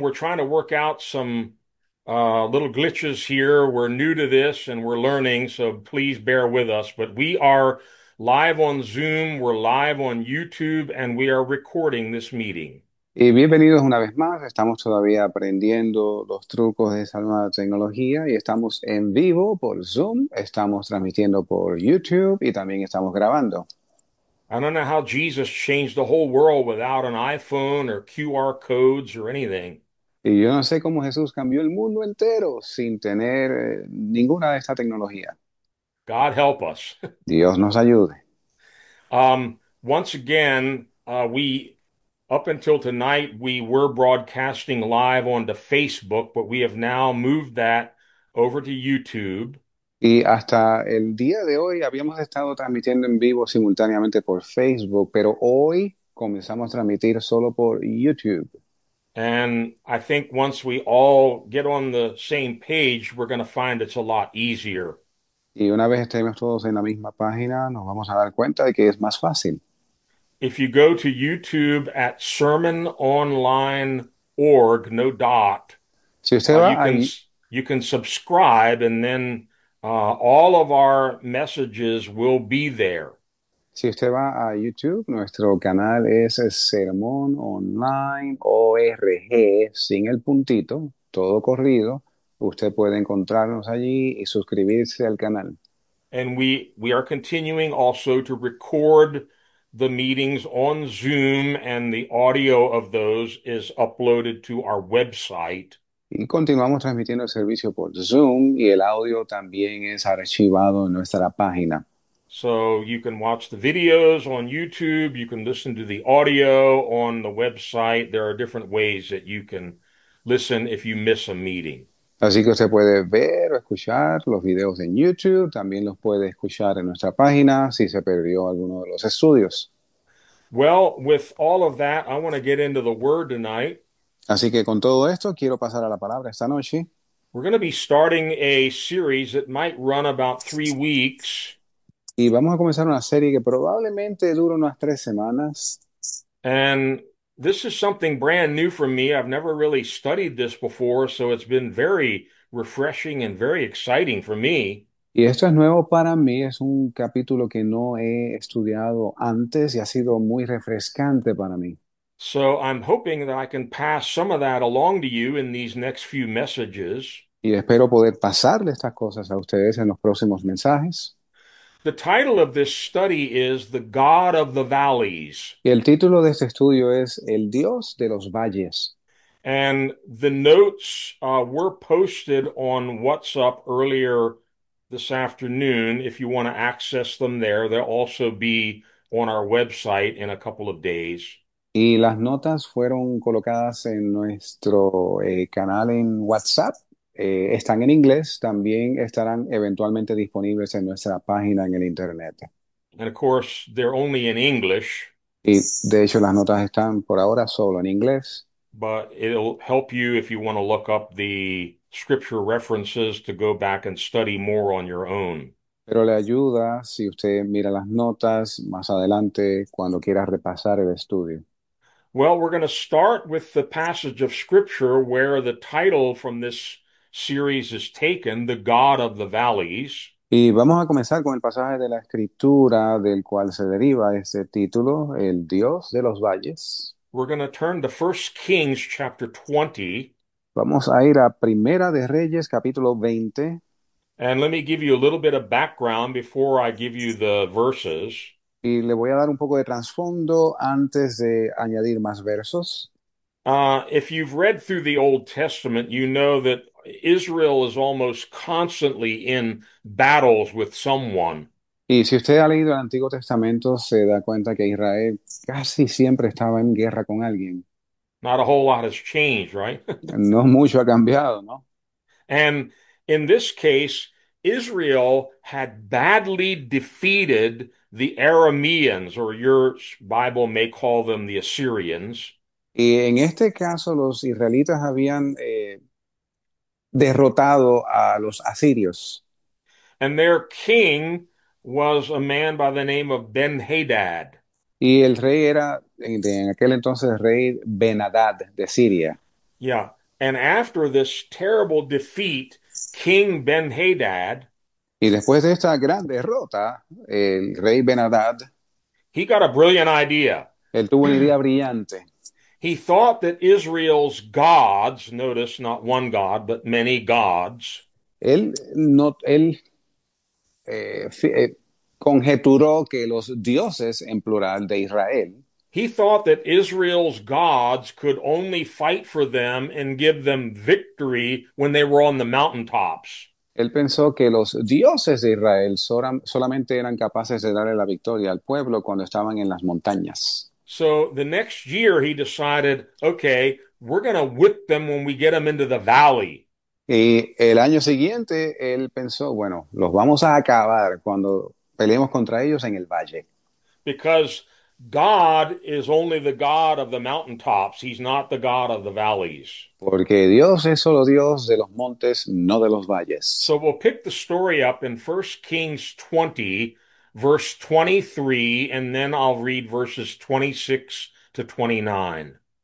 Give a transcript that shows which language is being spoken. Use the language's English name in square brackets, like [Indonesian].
[English] We're trying to work out some little glitches here. We're new to this and we're learning, so please bear with us. But we are live on Zoom, we're live on YouTube, and we are recording this meeting. [Spanish] Y bienvenidos una vez más. Estamos todavía aprendiendo los trucos de esa nueva tecnología y estamos en vivo por Zoom, estamos transmitiendo por YouTube y también estamos grabando. [English] I don't know how Jesus changed the whole world without an iPhone or QR codes or anything. [Spanish] Y yo no sé cómo Jesús cambió el mundo entero sin tener ninguna de esta tecnología. [English] God help us. [Spanish] Dios nos ayude. [English] Once again, we up until tonight we were broadcasting live onto Facebook, but we have now moved that over to YouTube. [Spanish] Y hasta el día de hoy habíamos estado transmitiendo en vivo simultáneamente por Facebook, pero hoy comenzamos a transmitir solo por YouTube. [English] And I think once we all get on the same page, we're going to find it's a lot easier. [Spanish] Y una vez estemos todos en la misma página, nos vamos a dar cuenta de que es más fácil. [English] If you go to YouTube at sermononline.org, no dot, [Spanish] Si usted va a [English] you can subscribe, and then all of our messages will be there. [Spanish] Si usted va a YouTube, nuestro canal es el Sermón Online ORG, sin el puntito, todo corrido. Usted puede encontrarnos allí y suscribirse al canal. [English] And we are continuing also to record the meetings on Zoom, and the audio of those is uploaded to our website. [Spanish] Y continuamos transmitiendo el servicio por Zoom y el audio también es archivado en nuestra página. [English] So you can watch the videos on YouTube, you can listen to the audio on the website. There are different ways that you can listen if you miss a meeting. [Spanish] Así que usted puede ver o escuchar los videos en YouTube, también los puede escuchar en nuestra página si se perdió alguno de los estudios. [English] Well, with all of that, I want to get into the word tonight. [Spanish] Así que con todo esto, quiero pasar a la palabra esta noche. [English] We're going to be starting a series that might run about 3 weeks. [Spanish] Y vamos a comenzar una serie que probablemente dure unas 3 semanas. [English] And this is something brand new for me. I've never really studied this before, so it's been very refreshing and very exciting for me. [Spanish] Y esto es nuevo para mí, es un capítulo que no he estudiado antes y ha sido muy refrescante para mí. [English] So I'm hoping that I can pass some of that along to you in these next few messages. [Spanish] Y espero poder pasarle estas cosas a ustedes en los próximos mensajes. [English] The title of this study is The God of the Valleys. [Spanish] Y el título de este estudio es El Dios de los Valles. [English] And the notes were posted on WhatsApp earlier this afternoon. If you want to access them there, they'll also be on our website in a couple of days. [Spanish] Y las notas fueron colocadas en nuestro canal en WhatsApp. Están en inglés, también estarán eventualmente disponibles en nuestra página en el internet. [English] And of course, they're only in English, [Spanish] Y de hecho las notas están por ahora solo en inglés. [English] but it'll help you if you want to look up the scripture references to go back and study more on your own. [Spanish] Pero le ayuda si usted mira las notas más adelante cuando quiera repasar el estudio. [English] Well, we're going to start with the passage of scripture where the title from this series is taken, The God of the Valleys. [Spanish] Y vamos a comenzar con el pasaje de la escritura del cual se deriva este título, El Dios de los Valles. [English] We're going to turn to 1 Kings chapter 20. [Spanish] Vamos a ir a Primera de Reyes, capítulo 20. [English] And let me give you a little bit of background before I give you the verses. [Spanish] Y le voy a dar un poco de trasfondo antes de añadir más versos. [English] If you've read through the Old Testament, you know that Israel is almost constantly in battles with someone. [Spanish] Y si usted ha leído el Antiguo Testamento, se da cuenta que Israel casi siempre estaba en guerra con alguien. [English] Not a whole lot has changed, right? [Spanish] No mucho ha cambiado, ¿no? [English] And in this case, Israel had badly defeated the Arameans, or your Bible may call them the Assyrians. [Spanish] Y en este caso, los israelitas habían derrotado a los asirios. [English] And their king was a man by the name of Ben-Hadad. [Spanish] Y el rey era, en aquel entonces, el rey Ben-Hadad de Siria. [English] Yeah. And after this terrible defeat, King Ben-Hadad, [Spanish] Y después de esta gran derrota, el rey Ben-Hadad, [English] he got a brilliant idea. [Spanish] él tuvo una idea brillante. [English] He thought that Israel's gods, notice not one god, but many gods, [Spanish] Él no, él conjeturó que los dioses en plural de Israel [English] he thought that Israel's gods could only fight for them and give them victory when they were on the mountaintops. [Spanish] Él pensó que los dioses de Israel solamente eran capaces de darle la victoria al pueblo cuando estaban en las montañas. [English] So the next year he decided, okay, we're going to whip them when we get them into the valley. [Spanish] Y el año siguiente él pensó, bueno, los vamos a acabar cuando peleemos contra ellos en el valle. [English] Because God is only the God of the mountaintops. He's not the God of the valleys. [Spanish] Porque Dios es solo Dios de los montes, no de los [English] So we'll pick the story up in 1 Kings 20, verse 23, and then I'll read verses 26 to 29.